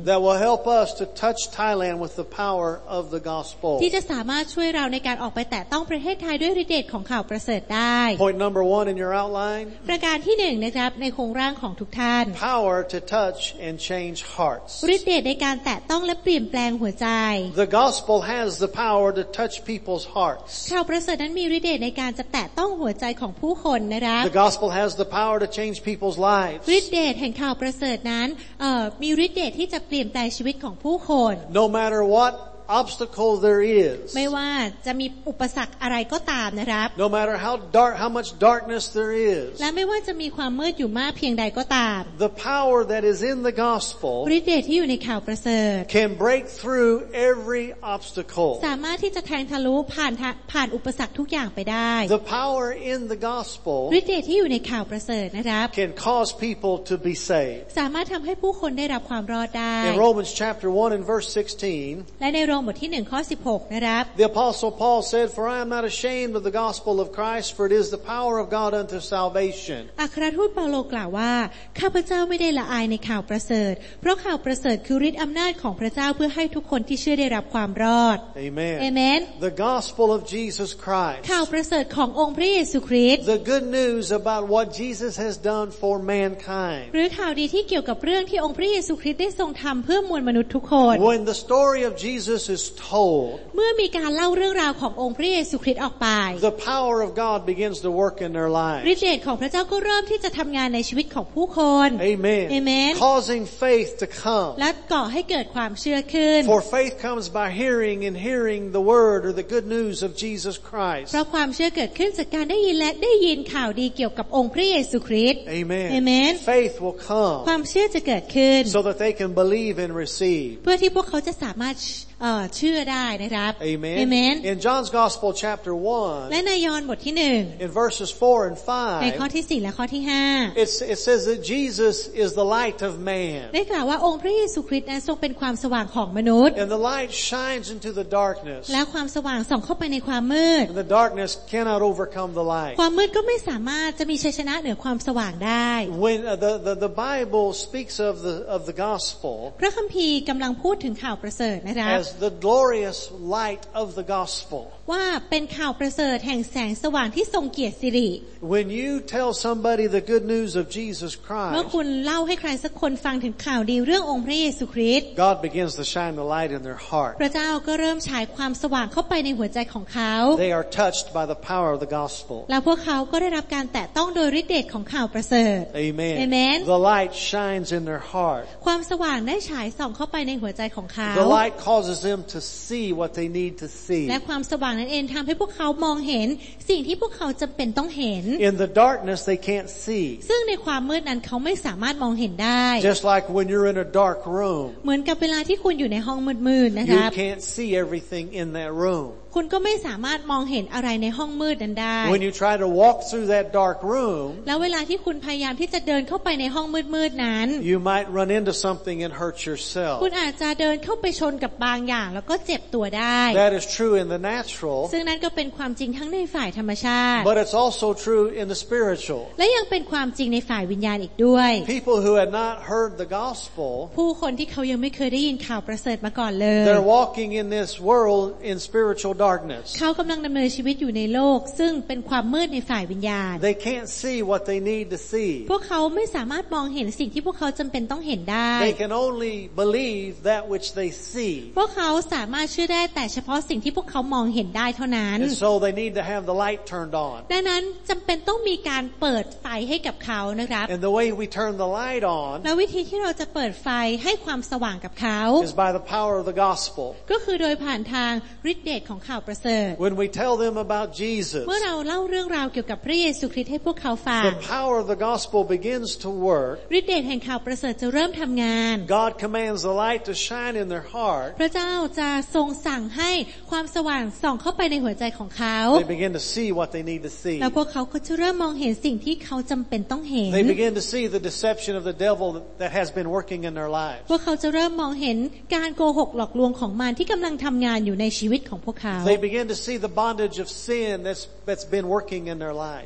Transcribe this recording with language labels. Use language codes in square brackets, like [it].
[en] That will help us to touch Thailand with the power of the gospel [th] ที่จะสามารถช่วยเราในการออกไปแตะต้องประเทศไทยด้วยฤทธิ์เดชของข่าวประเสริฐได้ [en] Point number 1 in your outline [th] ประการที่1 นะครับในโครงร่างของทุกท่าน [en] Power to touch and change hearts [th] ฤทธิ์เดชในการแตะต้องและเปลี่ยนแปลงหัวใจ [en] The gospel has the power to touch people's hearts [th] ข่าวประเสริฐนั้นมีฤทธิ์เดชในการจะแตะต้องหัวใจของผู้คนนะครับ [en] The gospel has the power to change people's lives [th] ฤทธิ์เดชแห่งข่าวประเสริฐนั้นมีฤทธิ์เดชที่จะเปลี่ยนแปลงชีวิตของผู้คน [en] No matter what obstacle there is [th] ไม่ว่าจะมีอุปสรรคอะไรก็ตามนะครับ [en] No matter how dark how much darkness there is [th] และไม่ว่าจะมีความมืดอยู่มากเพียงใดก็ตาม [en] The power that is in the gospel [th] ฤทธิ์เดชที่อยู่ในข่าวประเสริฐ [en] can break through every obstacle [th] สามารถที่จะแทงทะลุผ่านอุปสรรคทุกอย่างไปได้ [en] The power in the gospel [th] ฤทธิ์เดชที่อยู่ในข่าวประเสริฐนะครับ [en] can cause people to be saved [th] สามารถทําให้ผู้คนได้รับความรอดได้ [en] In Romans chapter 1 and verse 16 [th] และในบทที่1ข้อ16นะครับ [en] The apostle Paul said for I am not ashamed of the gospel of Christ for it is the power of God unto salvation [th] อัครทูตเปาโลกล่าวว่าข้าพเจ้าไม่ได้ละอายในข่าวประเสริฐเพราะข่าวประเสริฐคือฤทธิ์อำนาจของพระเจ้าเพื่อให้ทุกคนที่เชื่อได้รับความรอด [en] Amen Amen The gospel of Jesus Christ [th] ข่าวประเสริฐขององค์พระเยซูคริสต์ [en] The good news about what Jesus has done for mankind [th] หรือข่าวดีที่เกี่ยวกับเรื่องที่องค์พระเยซูคริสต์ได้ทรงทำเพื่อมวลมนุษย์ทุกคน [en] When the story of JesusIs told [th] เมื่อมีการเล่าเรื่องราวขององค์พระเยซูคริสต์ออกไป [en] The power of God begins to work in their lives [th] ฤทธิ์เดชของพระเจ้าก็เริ่มที่จะทำงานในชีวิตของผู้คน [en] Amen Amen causing faith to come [th] และก่อให้เกิดความเชื่อขึ้น [en] For faith comes by hearing and hearing the word or the good news of Jesus Christ [th] เพราะความเชื่อเกิดขึ้นจากการได้ยินและได้ยินข่าวดีเกี่ยวกับองค์พระเยซูคริสต์ [en] Amen Amen faith will come [th] ความเชื่อจะเกิดขึ้น [en] so that they can believe and receive [th] เพื่อที่พวกเขาจะสามารถเชื่อได้นะครับ [en] Amen. Amen In John's Gospel chapter 1 [th] และในยอห์นบทที่1 [en] In verses 4 and 5 [th] ในข้อที่4และข้อที่5 [en] It says that Jesus is the light of man [th] ได้กล่าวว่าองค์พระเยซูคริสต์นั้นทรงเป็นความสว่างของมนุษย์ [en] And the light shines into the darkness [th] และความสว่างส่องเข้าไปในความมืด [en] And the darkness cannot overcome the light [th] ความมืดก็ไม่สามารถจะมีชัยชนะเหนือความสว่างได้ [en] When the Bible speaks of the gospel [th] พระคัมภีร์กำลังพูดถึงข่าวประเสริฐนะครับ [en] The glorious light of the gospel. [th] ว่าเป็นข่าวประเสริฐแห่งแสงสว่างที่ทรงเกียรติสิริ [en] When you tell somebody the good news of Jesus Christ, [th] เมื่อคุณเล่าให้ใครสักคนฟังถึงข่าวดีเรื่ององค์พระเยซูคริสต์ [en] God begins to shine the light in their heart. [th] พระเจ้าก็เริ่มฉายความสว่างเข้าไปในหัวใจของเขา [en] They are touched by the power of the gospel. [th] แล้วพวกเขาก็ได้รับการแตะต้องโดยฤทธิ์เดชของข่าวประเสริฐ [en] Amen. Amen. The light shines in their heart. [th] ความสว่างได้ฉายส่องเข้าไปในหัวใจของเขา [en] The light causesthem to see what they need to see [th] และความสว่างนั้นเองทำให้พวกเขามองเห็นสิ่งที่พวกเขาจำเป็นต้องเห็น [en] In the darkness they can't see [th] ซึ่งในความมืดนั้นเขาไม่สามารถมองเห็นได้ [en] Just like when you're in a dark room [th] เหมือนกับเวลาที่คุณอยู่ในห้องมืดๆนะครับ [en] You can't see everything in that room [th] คุณก็ไม่สามารถมองเห็นอะไรในห้องมืดนั้นได้ [en] When you try to walk through that dark room [th] แล้วเวลาที่คุณพยายามที่จะเดินเข้าไปในห้องมืดๆนั้น [en] You might run into something and hurt yourself [th] คุณอาจจะเดินเข้าไปชนกับบางอย่างแล้วก็เจ็บตัวได้ [en] That is true in the natural [th] ซึ่งนั้นก็เป็นความจริงทั้งในฝ่ายธรรมชาติ [en] But it's also true in the spiritual [th] และยังเป็นความจริงในฝ่ายวิญญาณอีกด้วย [en] People who had not heard the gospel [th] ผู้คนที่เขายังไม่เคยได้ยินข่าวประเสริฐมาก่อนเลย [en] They're walking in this world in spiritual darkness [th] เขากำลังดำเนินชีวิตอยู่ในโลกซึ่งเป็นความมืดในฝ่ายวิญญาณ [en] They can't see what they need to see [th] พวกเขาไม่สามารถมองเห็นสิ่งที่พวกเขาจำเป็นต้องเห็นได้ [en] They can only believe that which they see [th] พวกเขาสามารถเชื่อได้แต่เฉพาะสิ่งที่พวกเขามองเห็นได้เท่านั้น [en] So they need to have the light turned on [th] ดังนั้นจำเป็นต้องมีการเปิดไฟให้กับเขานะครับ [en] And the way we turn the light on [th] และวิธีที่เราจะเปิดไฟให้ความสว่างกับเขา [en] is by the power of the gospel [th] ก็คือโดยผ่านทางฤทธิ์เดชของข่าวประเสริฐ [en] When we tell them about Jesus [th] เมื่อเราเล่าเรื่องราวเกี่ยวกับพระเยซูคริสต์ให้พวกเขาฟัง [en] The power of the gospel begins to work [th] ฤทธิ์เดชแห่งข่าวประเสริฐจะเริ่มทำงาน [en] God commands the light to shine in their heart [th] พระเจ้าจะทรงสั่งให้ความสว่างส่องเข้าไปในหัวใจของเขา [en] They begin to see what they need to see [th] แล้วพวกเขาก็จะเริ่มมองเห็นสิ่งที่เขาจำเป็นต้องเห็น [en] They begin to see the deception of the devil that has been working in their lives [th] พวกเขาจะเริ่มมองเห็นการโกหกหลอกลวงของมารที่กำลังทำงานอยู่ในชีวิตของพวกเขา [en] They begin to see the bondage of sin that's been working in their lives